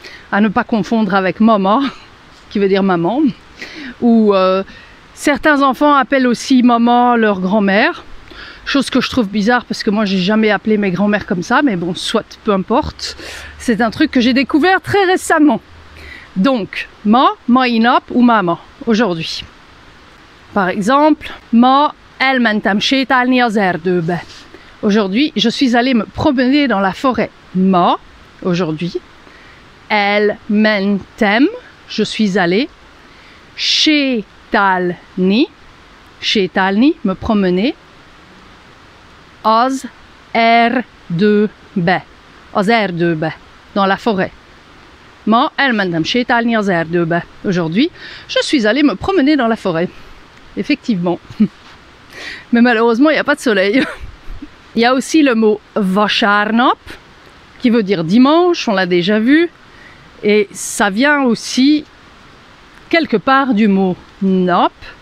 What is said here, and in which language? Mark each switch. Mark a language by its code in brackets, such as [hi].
[fr] À ne pas confondre avec mama, qui veut dire maman. Ou certains enfants appellent aussi mama leur grand-mère. Chose que je trouve bizarre parce que moi j'ai jamais appelé mes grand-mères comme ça. Mais bon, soit, peu importe. C'est un truc que j'ai découvert très récemment. Donc, ma, [hu] mai nap [fr] ou mama, aujourd'hui. Par exemple, [hu] ma elmentem sétálni az erdőbe. [fr] Aujourd'hui, je suis allée me promener dans la forêt. Ma, aujourd'hui, elmentem, je suis allée sétálni, me promener, [hu] az erdőbe, [fr] dans la forêt. [hu] Ma elmentem sétálni az erdőbe. [fr] Aujourd'hui, je suis allée me promener dans la forêt. Effectivement. Mais malheureusement, il n'y a pas de soleil. Il y a aussi le mot vasárnap, qui veut dire dimanche, on l'a déjà vu. Et ça vient aussi quelque part du mot nap.